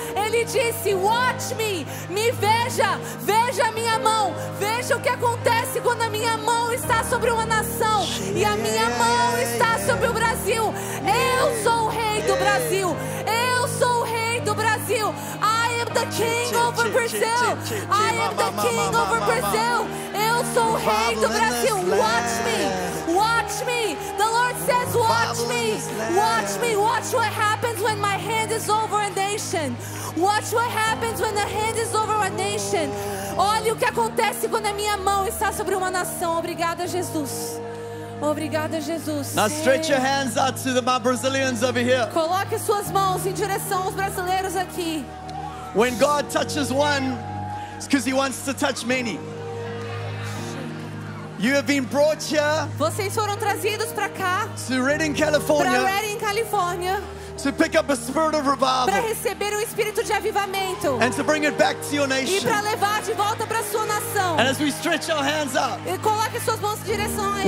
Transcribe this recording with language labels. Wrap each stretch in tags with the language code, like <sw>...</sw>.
<pt>Ele disse:</pt> <en>watch me,</en> <pt>me veja, veja a minha mão, veja o que acontece quando a minha mão está sobre uma nação e a minha mão está sobre o Brasil. Eu sou o rei do Brasil, eu sou o rei do Brasil.</pt> <en>I am the king over Brazil, I am the king over Brazil.</en> <pt>Eu sou o rei do Brasil,</pt> <en>watch me, watch me. The Lord says watch me, watch me, watch what happens when my hand is over a nation. Watch what happens when the hand is over a nation.</en> <pt>Olha o que acontece quando a minha mão está sobre uma nação. Obrigada, Jesus. Obrigada, Jesus.</pt> <en>Now stretch your hands out to my Brazilians over here.</en> <pt>Coloque suas mãos em direção aos brasileiros aqui.</pt> <en>When God touches one, it's because He wants to touch many. You have been brought here.</en> <pt>Vocês foram trazidos para cá.</pt> <en>To Redding, California.</en> <pt>Para Redding, Califórnia.</pt> <en>To pick up a spirit of revival.</en> <pt>Para receber um espírito de avivamento.</pt> <en>And to bring it back to your nation.</en> <pt>E para levar de volta para sua nação.</pt> <en>And as we stretch our hands up.</en> <pt>E coloque suas mãos em direção a eles.</pt>